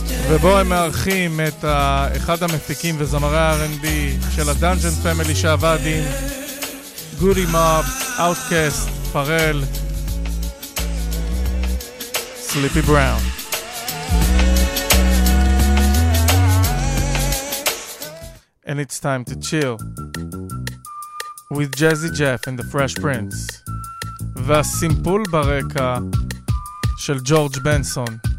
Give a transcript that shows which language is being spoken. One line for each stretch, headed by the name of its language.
Hebrew: ובו הם מארחים את אחד המפיקים וזמרי R&B של הדאנג'ן פמילי שעבד עם גודי מוב, אאוטקאסט, פארל, סליפי בראון.
English: And it's time to chill with Jazzy Jeff and the Fresh Prince.
Hebrew: והסימפול ברקע של ג'ורג' בנסון.